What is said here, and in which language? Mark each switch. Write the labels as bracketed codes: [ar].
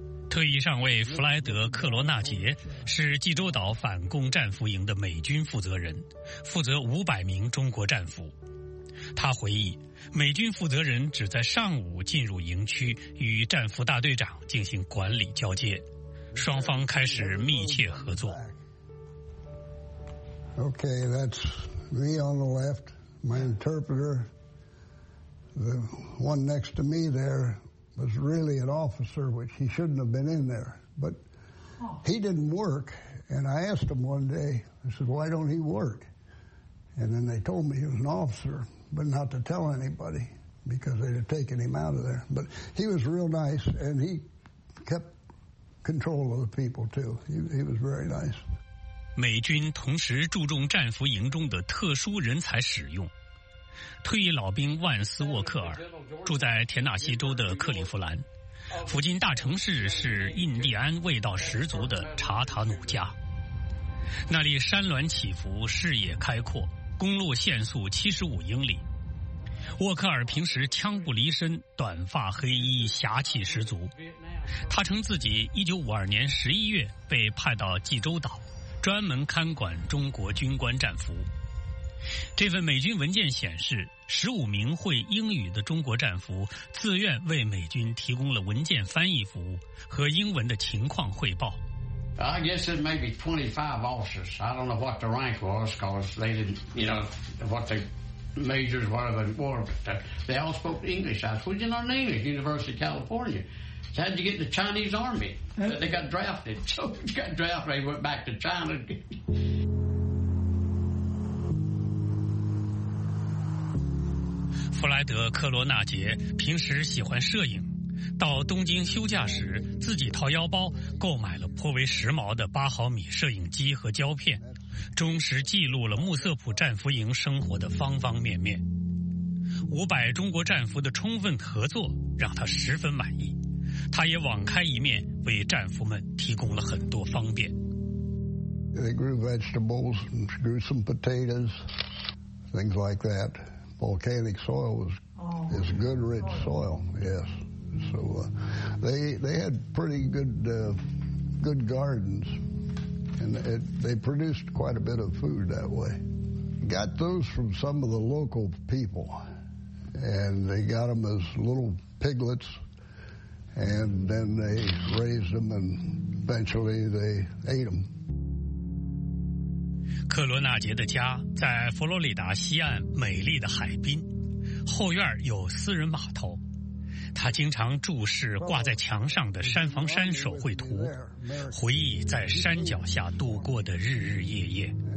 [zh] 退役上尉弗莱德·克罗纳杰是济州岛反共战俘营的美军负责人，负责500名中国战俘。他回忆，美军负责人只在上午进入营区与战俘大队长进行管理交接，双方开始密切合作。 [en] Okay, that's me on the left, my interpreter. The one next to me there was really an officer, which he shouldn't have been in there. But he didn't work, and I asked him one day, I said, why don't he work? And then they told me he was an officer, but not to tell anybody, because they'd have taken him out of there. But he was real nice, and he kept control of the people too. He was very nice. [zh] 美军同时注重战俘营中的特殊人才使用。退役老兵万斯·沃克尔住在田纳西州的克利夫兰，附近大城市是印第安味道十足的查塔努加。那里山峦起伏，视野开阔，公路限速75英里。沃克尔平时枪不离身，短发黑衣，侠气十足。他称自己1952年11月被派到济州岛，专门看管中国军官战俘。这份美军文件显示，15名会英语的中国战俘自愿为美军提供了文件翻译服务和英文的情况汇报。 [en] I guess it may be 25 officers. I don't know what the rank was, because they didn't, you know, what the majors, whatever it was. But they all spoke English. I said, "What's your name?" University of California. So how'd you get in the Chinese army? They got drafted. So they got drafted. They went back to China. [zh] 弗莱德·克罗纳杰平时喜欢摄影，到东京休假时自己掏腰包购买了颇为时髦的8毫米摄影机和胶片，忠实记录了穆瑟普战俘营生活的方方面面。 500中国战俘的充分合作让他十分满意，他也网开一面为战俘们提供了很多方便。 [en] They grew vegetables and grew some potatoes, things like that. Volcanic soil is good rich soil, yes. So they had pretty good gardens, and they produced quite a bit of food that way. Got those from some of the local people, and they got them as little piglets, and then they raised them, and eventually they ate them. [zh] 克罗纳杰的家在佛罗里达西岸美丽的海滨，后院有私人码头。他经常注视挂在墙上的山房山手绘图，回忆在山脚下度过的日日夜夜。